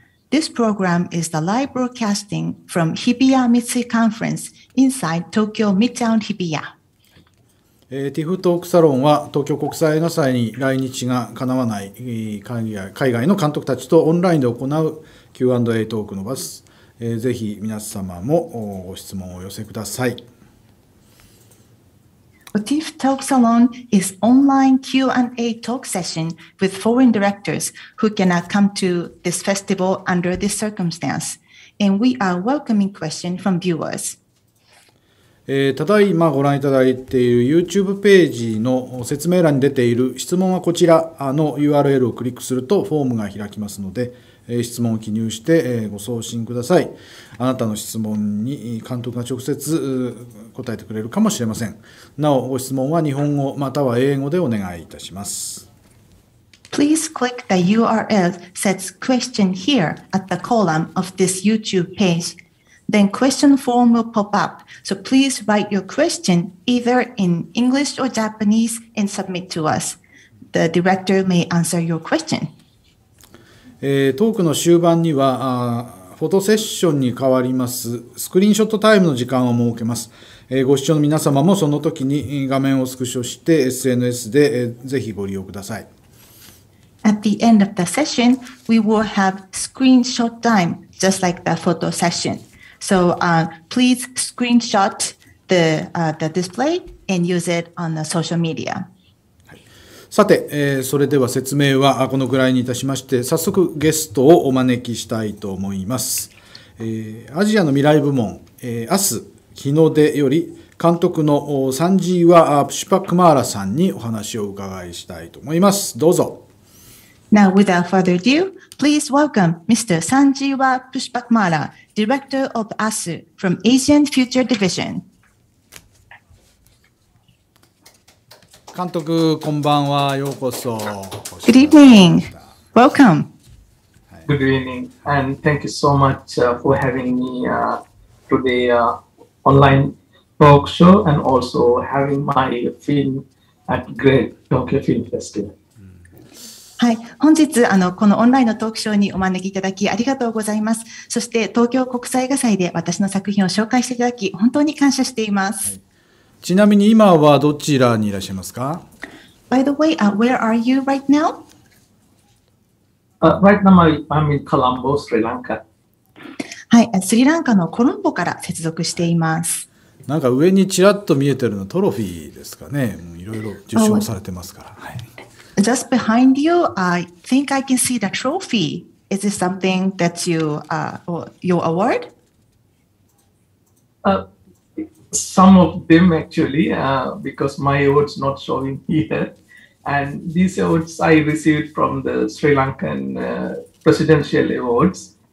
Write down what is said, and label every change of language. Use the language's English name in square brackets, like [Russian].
[English] This program is the live broadcasting from Hibiya Mitsui Conference inside Tokyo Midtown Hibiya. [Japanese] TIFF トークサロンは東京国際映画祭に来日がかなわない海外の監督たちとオンラインで行う Q&A トークの場です。ぜひ皆様もご質問を寄せください。 [English] TIFF トークサロン is online Q&A talk session with foreign directors who cannot come to this festival under this circumstance. And we are welcoming questions from viewers. [Japanese] ただいまご覧いただいている YouTube ページの説明欄に出ている質問はこちらの URL をクリックするとフォームが開きますので、質問を記入してご送信ください。あなたの質問に監督が直接答えてくれるかもしれません。なお、ご質問は日本語または英語でお願いいたします。 [English] Please click the URL says question here at the column of this YouTube page. Then question form will pop up. So please write your question either in English or Japanese and submit to us. The director may answer your question. [Japanese] トークの終盤にはフォトセッションに変わります。スクリーンショットタイムの時間を設けます。ご視聴の皆様もその時に画面をスクショして SNS でぜひご利用ください。 [English] At the end of the session, we will have screenshot time, just like the photo session. So, please screenshot the display and use it on the social media. [Japanese] さて、それでは説明はこのぐらいにいたしまして、早速ゲストをお招きしたいと思います。アジアの未来部門、明日日の出より監督のサンジーワ・プシュパクマーラさんにお話を伺いしたいと思います。どうぞ。 [English] Now, without further ado, please welcome Mr. Sanjeeva Pushpakmala, Director of ASU from Asian Future Division. [Japanese] 監督、こんばんは。ようこそ。 [English] Good evening. Welcome. Good evening. And thank you so much for having me to the online talk show and also having my film at Great Tokyo Film Festival. [Japanese] はい、本日このオンラインのトークショーにお招きいただきありがとうございます。そして東京国際映画祭で私の作品を紹介していただき本当に感謝しています。はい、ちなみに今はどちらにいらっしゃいますか？ [English] By the way, where are you right now? Right now I'm in Colombo, Sri Lanka. [Japanese] はい、スリランカのコロンボから接続しています。なんか上にちらっと見えてるのトロフィーですかね。いろいろ受賞されてますから。はい、 [English] Just behind you, I think I can see the trophy. Is this something that you, your award? Some of them actually, because my award's not showing here. And these awards I received from the Sri Lankan presidential awards.